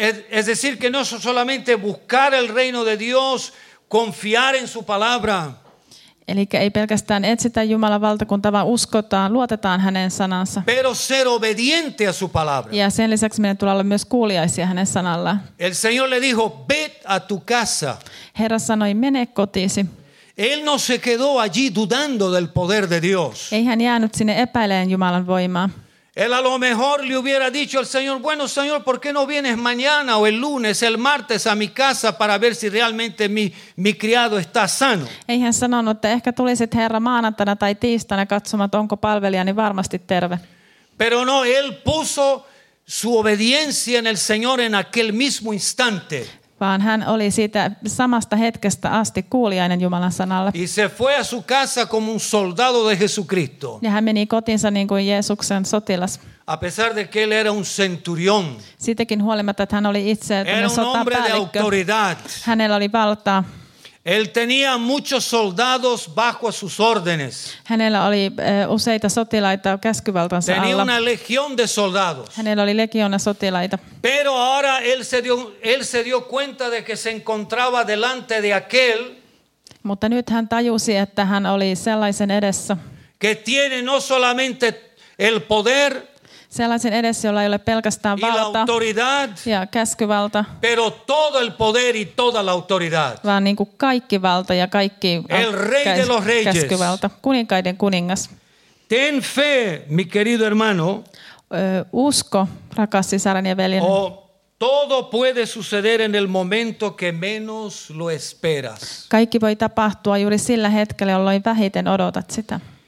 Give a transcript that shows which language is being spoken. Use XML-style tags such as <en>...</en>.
<es>Es decir que no solamente buscar el reino de Dios, confiar en su palabra.</es> <fi>Eli ei pelkästään etsitä Jumalan valtakuntaa, vaan uskotaan, luotetaan hänen sanansa.</fi> <es>Pero ser obediente a su palabra.</es> <fi>Ja sen lisäksi meidän tulee olla myös kuuliaisia hänen sanallaan.</fi> <es>El Señor le dijo, "Ved a tu casa."</es> <fi>Herra sanoi, mene kotiisi.</fi> <es>Él no se quedó allí dudando del poder de Dios.</es> <fi>Ei hän jäänyt sinne epäileen Jumalan voimaa.</fi> <es>Él a lo mejor le hubiera dicho al Señor, bueno Señor, ¿por qué no vienes mañana o el lunes, el martes a mi casa para ver si realmente mi criado está sano?</es> <fi>Ei hän sanonut, että ehkä tulisit Herra maanantaina tai tiistaina katsomaan, että onko palvelijani varmasti terve.</fi> <es>Pero no, él puso su obediencia en el Señor en aquel mismo instante.</es> <fi>Vaan hän oli siitä samasta hetkestä asti kuulijainen Jumalan sanalle.</fi> <es>Y se fue a su casa como un soldado de Jesucristo.</es> <fi>Ja hän meni kotinsa niin kuin Jeesuksen sotilas.</fi> <es>A pesar de que él era un centurión.</es> <fi>Siitäkin huolimatta, että hän oli itse sotapäällikkö. Hänellä oli valtaa.</fi> <es>Él tenía muchos soldados bajo sus órdenes.</es> <fi>Hänellä oli useita sotilaita käskyvaltansa</fi> <es>tenía</es> <fi>alla.</fi> <es>Una legión de soldados.</es> <fi>Hänellä oli legiona sotilaita.</fi> <es>Pero ahora él se dio cuenta de que se encontraba delante de aquel.</es> <fi>Mutta nyt hän tajusi, että hän oli sellaisen edessä.</fi> <es>Que tiene no solamente el poder.</es> <fi>Sellaisen edessä, jolla ei ole pelkästään valta ja käskyvalta,</fi> <es>pero todo el poder y toda la autoridad.</es> <fi>Vaan niin kuin kaikki valta ja kaikki käskyvalta, kuninkaiden kuningas.</fi> <es>Ten fe, mi querido hermano,</es> <fi>usko, rakas sisarani ja veljeni.</fi> <es>Todo puede suceder en el momento que menos lo esperas.</es> <fi>Kaikki voi tapahtua juuri sillä hetkellä, jolloin vähiten odotat sitä.</fi>